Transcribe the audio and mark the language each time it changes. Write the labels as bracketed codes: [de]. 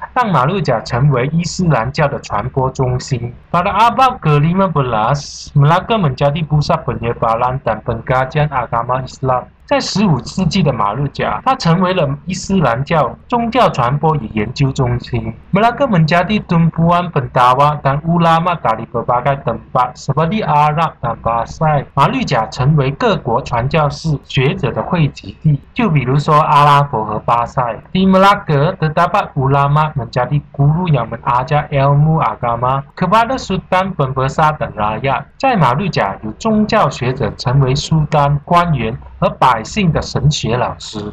[zh] 让马六甲成为伊斯兰教的传播中心。 [ms] Pada abad ke-15, Melaka menjadi pusat penyebaran dan pengkajian agama Islam. [zh] 在15世纪的马六甲，它成为了伊斯兰教宗教传播与研究中心。 [ms] Melaka menjadi tumpuan pendakwah dan ulama dari berbagai tempat seperti Arab dan Bahasa. [zh] 马六甲成为各国传教士学者的汇集地，就比如说阿拉伯和巴塞。 [ms] Di Melaka terdapat ulama menjadi guru yang mengajar ilmu agama kepada Sultan Pembesar dan rakyat. [zh] 在马六甲有宗教学者成为苏丹官员和百姓的神学老师。